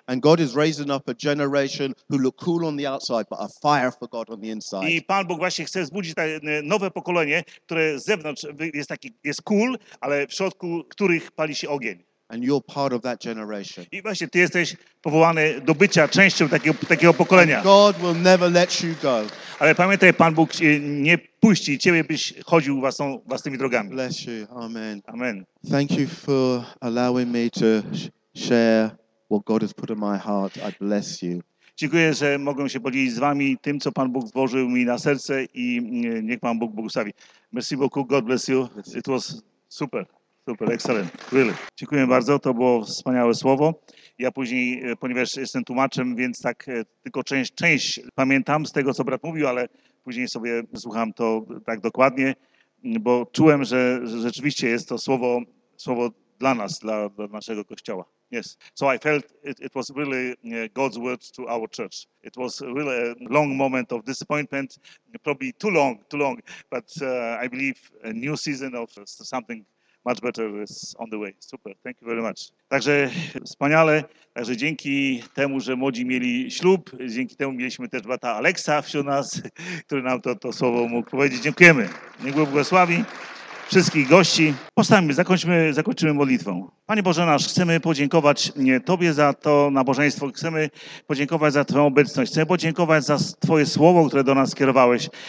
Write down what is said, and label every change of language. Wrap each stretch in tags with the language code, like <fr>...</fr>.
<en>And God is raising up a generation who look cool on the outside, but a fire for God on the inside.</en> <pl>I Pan Bóg właśnie chce zbudzić nowe pokolenie, które z zewnątrz jest cool, ale w środku których pali się ogień.</pl> <en>And you're part of that generation.</en> <pl>I właśnie ty jesteś powołany do bycia częścią takiego pokolenia.</pl> <en>God will never let you go.</en> <pl>Ale pamiętaj, Pan Bóg nie puści ciebie, byś chodził własnymi drogami.</pl> <en>Bless you. Amen. Amen. Thank you for allowing me to share what God has put in my heart. I bless you.</en> <pl>Dziękuję, że mogę się podzielić z wami tym, co Pan Bóg włożył mi na serce i niech Pan Bóg błogosławi.</pl> <fr>Merci beaucoup.</fr> <en>God bless you. It was super. Super, excellent, really.</en> <pl>Dziękuję bardzo, to było wspaniałe słowo. Ja później, ponieważ jestem tłumaczem, więc tak tylko część pamiętam z tego, co brat mówił, ale później sobie słucham to tak dokładnie, bo czułem, że rzeczywiście jest to słowo dla nas, dla naszego kościoła.</pl> <en>Yes, so I felt it was really God's word to our church. It was really a long moment of disappointment, probably too long, but I believe a new season of something much better is on the way. Super, thank you very much.</en> <pl>Także wspaniale, także dzięki temu, że młodzi mieli ślub, dzięki temu mieliśmy też brata Aleksa wśród nas, który nam to słowo mógł powiedzieć. Dziękujemy. Niech Bóg błogosławi wszystkich gości. Postańmy, zakończymy modlitwą. Panie Boże nasz, chcemy podziękować Tobie za to nabożeństwo, chcemy podziękować za Twoją obecność, chcemy podziękować za Twoje słowo, które do nas skierowałeś.</pl>